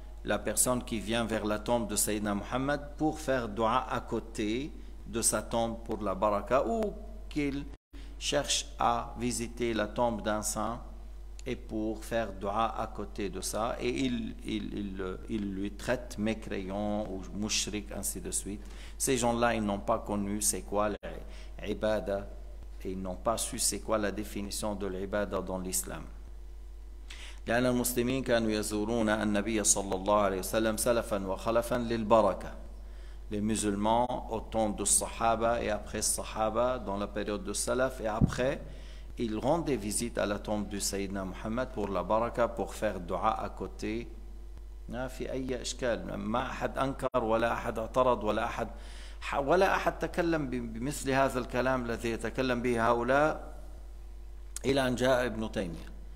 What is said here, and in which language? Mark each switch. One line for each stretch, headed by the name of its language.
French: la personne qui vient vers la tombe de Sayyidina Muhammad pour faire dua à côté de sa tombe pour la baraka, ou qu'il cherche à visiter la tombe d'un saint et pour faire dua à côté de ça, et il lui traite mécréant ou mushrik, ainsi de suite. Ces gens-là, ils n'ont pas connu c'est quoi l'ibada, et ils n'ont pas su c'est quoi la définition de l'ibada dans l'islam.
Arabic: لأن المسلمين كانوا يزورون النبي صلى الله عليه وسلم سلفا وخلفا للبركة.
French: Les musulmans au temps de Sahaba et après Sahaba dans la période de Salaf et après, ils rendaient visite à la tombe du Sayyidina Muhammad pour la baraka, pour faire dua à côté.
Arabic: في أي إشكال ما أحد أنكر ولا أحد اعترض ولا أحد تكلم بمثل هذا الكلام الذي يتكلم به هؤلاء إلى أن جاء ابن تيمية.